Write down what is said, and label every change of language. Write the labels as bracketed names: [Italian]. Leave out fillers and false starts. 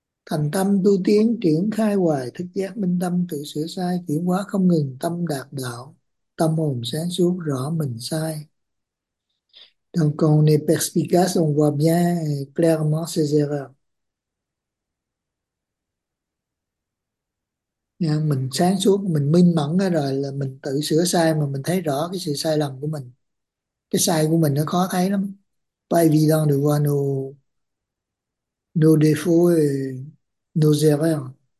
[Vietnamese] Thành tâm tu tiến, triển khai hoài, thức giác minh tâm, tự sửa sai, chuyển hóa không ngừng, tâm đạt đạo, tâm hồn sáng suốt, rõ mình sai. [French] Donc, quand on est perspicace, on voit bien et clairement ses erreurs. [Vietnamese] Mình sáng suốt, mình minh mẫn rồi là mình tự sửa sai mà mình thấy rõ cái sự sai lầm của mình. Cái sai của mình nó khó thấy lắm. [French] Pas évident de voir nos défauts et nos erreurs.